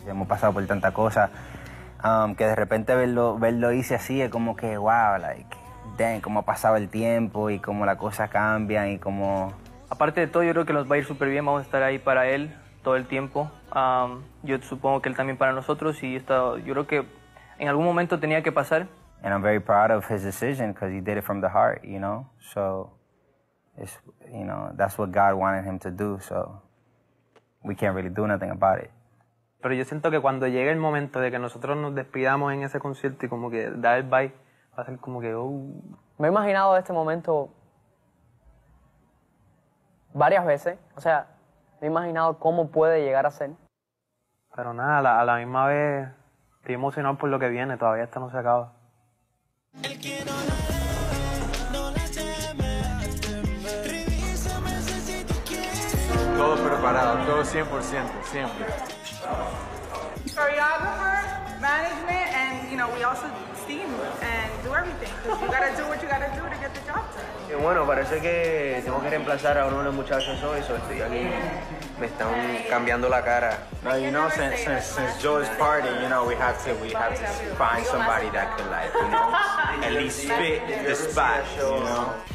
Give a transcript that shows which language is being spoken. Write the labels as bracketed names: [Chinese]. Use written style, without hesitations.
[Spanish] Hemos pasado por tanta cosa, que de repente verlo hice así es como que, wow, [English] like, damn, [Spanish] cómo ha pasado el tiempo y cómo las cosas cambian y cómo... Aparte de todo, yo creo que nos va a ir súper bien, vamos a estar ahí para él todo el tiempo. Yo supongo que él también para nosotros, y yo creo que en algún momento tenía que pasar. [English] And I'm very proud of his decision because he did it from the heart, you know? So, it's, you know, that's what God wanted him to do, so we can't really do nothing about it. [Spanish] Pero yo siento que cuando llegue el momento de que nosotros nos despidamos en ese concierto y como que dar el bye, va a ser como que, oh. Me he imaginado este momento varias veces, o sea, me he imaginado cómo puede llegar a ser. Pero nada, a la misma vez estoy emocionado por lo que viene, todavía esto no se acaba. Todo preparado, todo 100%, siempre. [English] Choreographer, management, and you know, we also steam and do everything. You gotta do what you gotta do to get the job done. [Spanish] Bueno, parece que tengo que reemplazar a uno de los muchachos hoy, so estoy aquí, me están cambiando la cara. [English] No, you know, since Joe's party, you know, we have to find somebody that can, like, you know, at least fit the spot, you know.